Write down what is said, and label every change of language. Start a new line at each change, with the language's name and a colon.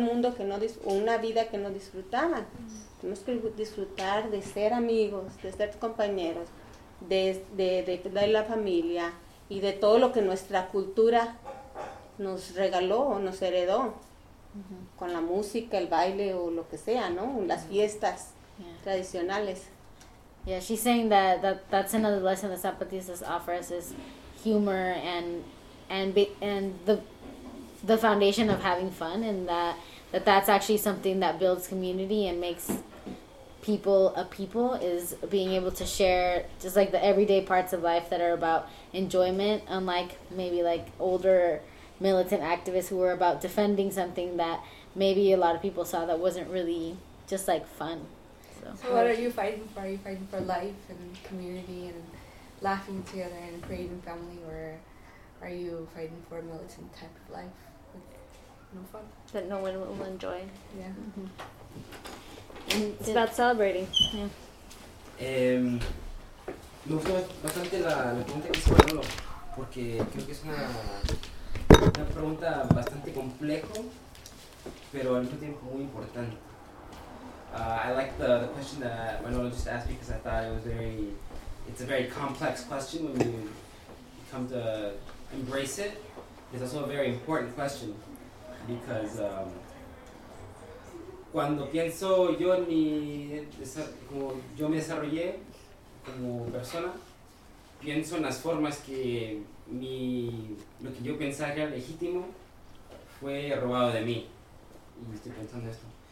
Spanish: Un mundo que no una vida que no disfrutaban. Tenemos que disfrutar de ser amigos, de ser compañeros, de la familia y de todo lo que nuestra cultura nos regaló o nos heredó. Con la música, el baile o lo que sea, ¿no? Las fiestas tradicionales.
English: Yeah, she's saying that's another lesson the Zapatistas offer us is humor and the foundation of having fun, and that's actually something that builds community and makes people a people, is being able to share just like the everyday parts of life that are about enjoyment, unlike maybe like older militant activists who were about defending something that maybe a lot of people saw that wasn't really just like fun. So what are you fighting for? Are you fighting for life and community and laughing together and creating family, or are you fighting for a militant type of life? No fun? That no one will enjoy. Yeah. Mm-hmm. It's about celebrating. Yeah.
Spanish: Me gustó bastante la pregunta que hizo Manolo, porque creo que es una pregunta bastante complejo, pero al mismo tiempo muy importante.
English: I like the question that Manolo just asked, because I thought it's a very complex question when you come to embrace it. It's also a very important question, because
Spanish: cuando pienso yo en como yo me desarrollé como persona, pienso en las formas que lo que yo pensaba que era legítimo fue robado de mí. Y estoy pensando esto.